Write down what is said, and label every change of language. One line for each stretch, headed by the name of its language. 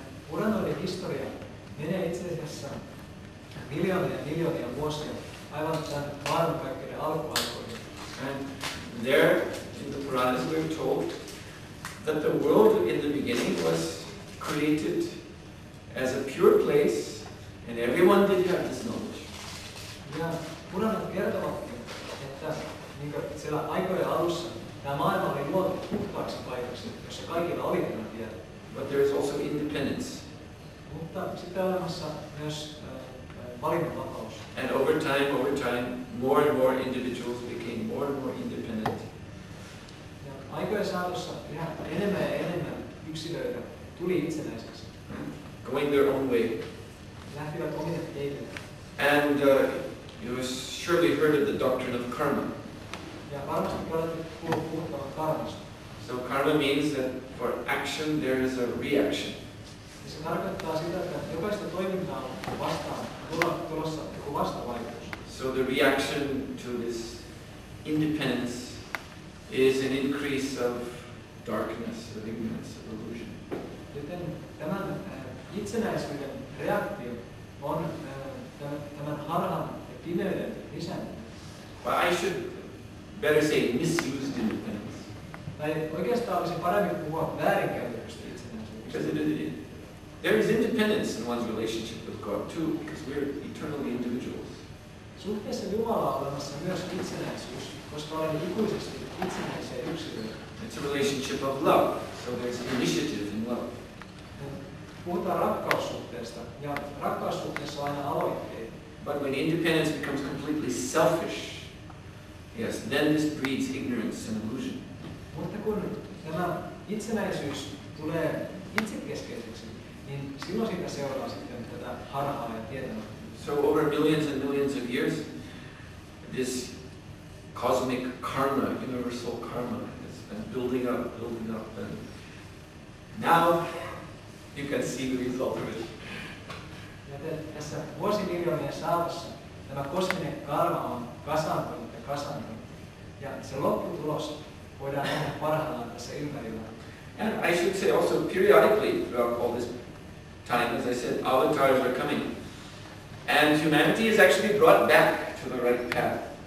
Finnish: Puranoiden historia menee itse asiassa miljoonia ja miljoonia vuosia aivan tämän maailmankaikkeuden alkuaikoihin.
English: And there, in the Puranas, we're told that the world in the beginning was created as a pure place, and everyone did have this knowledge.
Finnish: Ja Puranat kertovatkin, että niin kuin siellä aikojen alussa tämä maailma oli luotu puhtaaksi paikaksi, jossa kaikilla oli tämä tieto.
English: But there is also independence.
Finnish: Mutta sitten olemassa myös valinnanvapaus.
English: And over time, more and more individuals became more and more independent.
Finnish: Ja aikojen saatossa enemmän ja enemmän yksilöitä tuli itsenäiseksi.
English: Going their own way.
Finnish: Lähtivät omille teille.
English: And you have surely heard of the doctrine of karma.
Finnish: Ja varmasti olette kuullut puhuttavan karmasta.
English: So karma means that for action there is a reaction.
Finnish: Ja se tarkoittaa sitä, että jokaista toimintaa on vastaan tulossa joku vastavaikutus.
English: So the reaction to this independence is an increase of darkness, of ignorance, of illusion.
Finnish: Joten tämän itsenäisyyden reaktio on tämän harhan ja pimeyden lisääntyminen.
English: But I should better say misused independence.
Finnish: Tai oikeastaan olisi paremmin puhua väärinkäytöksestä itsenäisyydestä.
English: Because there is independence in one's relationship with God too, because we're eternally individuals.
Finnish: Suhteessa Jumalaa olemassa myös itsenäisyys, koska olemme ikuisesti itsenäisiä yksilöitä.
English: It's a relationship of love, so there's initiative in love.
Finnish: Puhutaan rakkaussuhteesta, ja rakkaussuhteessa on aina aloitteet.
English: But when independence becomes completely selfish, yes, then this breeds ignorance and illusion.
Finnish: Mutta kun tämä itsenäisyys tulee itsekeskeiseksi, niin silloin siitä seuraa sitten tätä harhaa ja tietämättä.
English: So over millions and millions of years, this cosmic karma, universal karma, has been building up, and now you can see the result of it.
Finnish: Tässä vuosimiljoonien saavassa tämä kosminen karma on kasaantunut ja kasaantunut, ja se lopputulos voidaan nähdä parhaillaan tässä ympärillä.
English: And I should say also periodically throughout all this time, as I said, avatars are coming. And humanity is actually brought back to the right path.